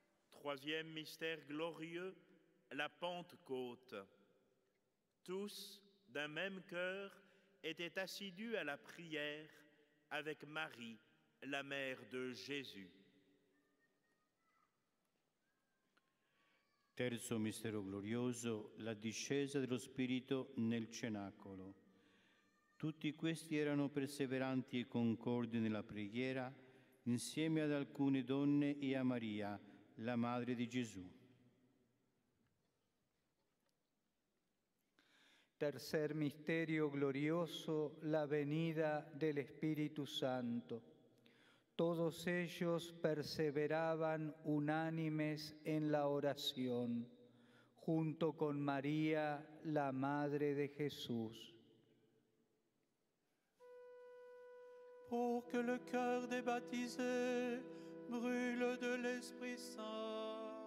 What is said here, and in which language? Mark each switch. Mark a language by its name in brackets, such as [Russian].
[French] Troisième mystère glorieux, la Pentecôte. Tous, d'un même cœur, étaient assidus à la prière avec Marie, la mère de Jésus. [Italian] Terzo mistero glorioso, la discesa dello Spirito nel Cenacolo. Tutti questi erano perseveranti e concordi nella preghiera, insieme ad alcune donne e a Maria, la madre di Gesù. [Spanish] Tercer misterio glorioso, la venida del Espíritu Santo. Todos ellos perseveraban unánimes en la oración, junto con María, la madre de Jesús. [French] Pour que le cœur des baptisés brûle de l'Esprit Saint.